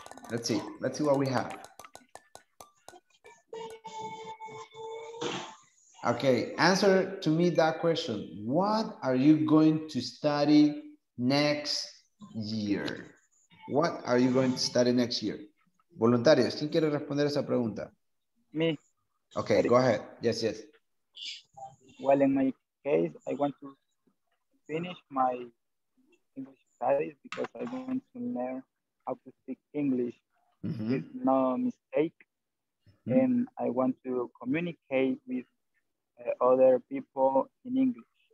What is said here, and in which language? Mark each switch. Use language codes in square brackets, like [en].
[en] Let's see what we have. Okay, answer to me that question. What are you going to study next year? What are you going to study next year? [es] Voluntarios, ¿quién quiere responder esa pregunta? [en] Me. Okay, go ahead. Yes. Well, in my case, I want to finish my English studies because I want to learn how to speak English with no mistake. And I want to communicate with other people in English.